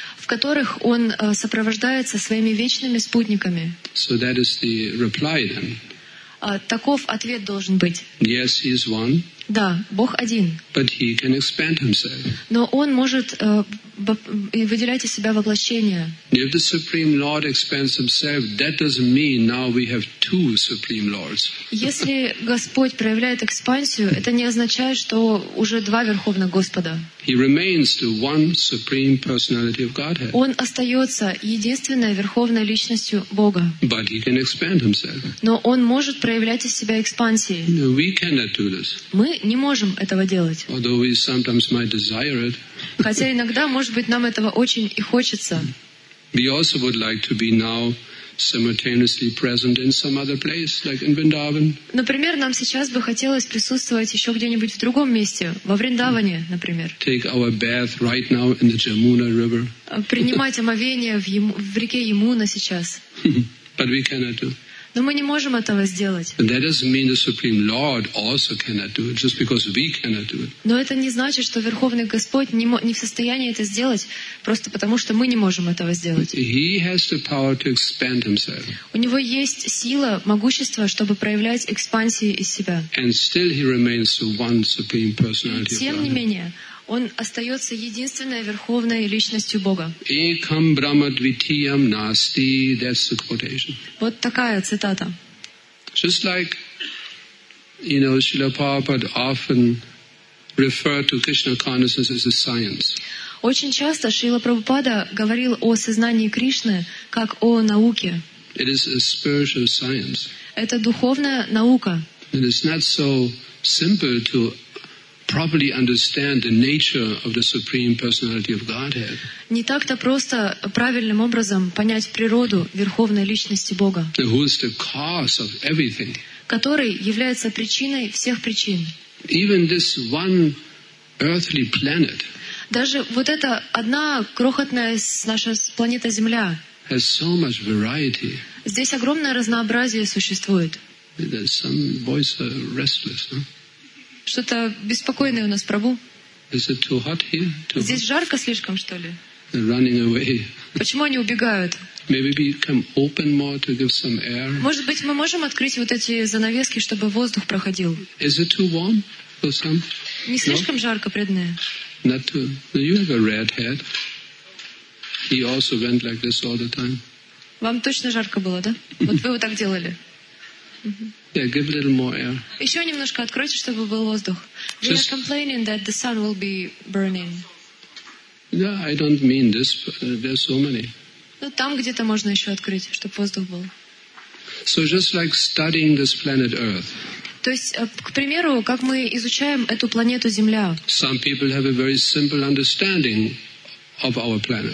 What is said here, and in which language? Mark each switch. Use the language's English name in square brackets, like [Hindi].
[Russian] В которых он сопровождается своими вечными спутниками. [English] So that is the reply, then. [Russian] Таков ответ должен быть. [English] Yes, he is one. [Russian] Да, Бог один. [English] But he can expand himself. [Russian] Но он может выделять из себя воплощение. [English] If the Supreme Lord expands himself, that doesn't mean now we have two Supreme Lords. [Russian] Если Господь проявляет экспансию, это не означает, что уже два Верховных Господа. [English] He remains the one Supreme Personality of Godhead. [Russian] Он остается единственной Верховной Личностью Бога. [English] But he can expand himself. [Russian] Но он может проявлять из себя экспансии. [English] No, we cannot do this. [Russian] Мы не можем этого делать. [English] Although we sometimes might desire it. [Russian] Хотя иногда, может быть, нам этого очень и хочется. [English] We also would like to be now simultaneously present in some other place, like in Vrindavan. [Russian] Например, нам сейчас бы хотелось присутствовать еще где-нибудь в другом месте, во Вриндаване, например. [English] Take our bath right now in the Jamuna River. [Russian] Принимать омовение в реке Ямуна сейчас. [English] But we cannot do. [Russian] Но мы не можем этого сделать. [English] That doesn't mean the Supreme Lord also cannot do it, just because we cannot do it. [Russian] Но это не значит, что Верховный Господь не в состоянии это сделать, просто потому что мы не можем этого сделать. [English] He has the power to expand himself. [Russian] У него есть сила, могущество, чтобы проявлять экспансии из себя. [English] And still he remains one Supreme Personality of God. [Russian] Тем не менее, он остается единственной Верховной Личностью Бога. [Sanskrit] Ekam Brahma Dvitiyam Nasti. [English] That's the quotation. [Russian] Вот такая цитата. [English] Just like, you know, Srila Prabhupada often referred to Krishna consciousness as a science. [Russian] Очень часто Шрила Прабхупада говорил о сознании Кришны как о науке. [English] It is a spiritual science. [Russian] Это духовная наука. [English] And it's not so simple to properly understand the nature of the Supreme Personality of Godhead. [Russian] Не так-то просто правильным образом понять природу Верховной Личности Бога. [English] Who is the cause of everything? [Russian] Который является причиной всех причин. [English] Even this one earthly planet. [Russian] Даже вот эта одна крохотная наша планета Земля. [English] Has so much variety. [Russian] Здесь огромное разнообразие существует. [English] Some voices are restless, huh? [Russian] Что-то беспокойное у нас, Прабу. [English] Is it too hot here? Too [Russian] Здесь [English] hot? [Russian] Жарко слишком, что ли? [English] They're running away. [Russian] Почему они убегают? [English] Maybe we can open more to give some air. [Russian] Может быть, мы можем открыть вот эти занавески, чтобы воздух проходил? [English] Is it too warm for some? [Russian] Не слишком жарко, преданные? [English] Not too. You have a red head. He also went like this all the time. [Russian] Вам точно жарко было, да? Вот вы вот так делали. [English] Yeah, give a little more air. [Russian] Еще немножко откройте, чтобы был воздух. [English] We are complaining that the sun will be burning. Yeah, I don't mean this. There's so many. [Russian] Ну там где-то можно еще открыть, чтобы воздух был. [English] So just like studying this planet Earth. [Russian] То есть, к примеру, как мы изучаем эту планету Земля. [English] Some people have a very simple understanding of our planet.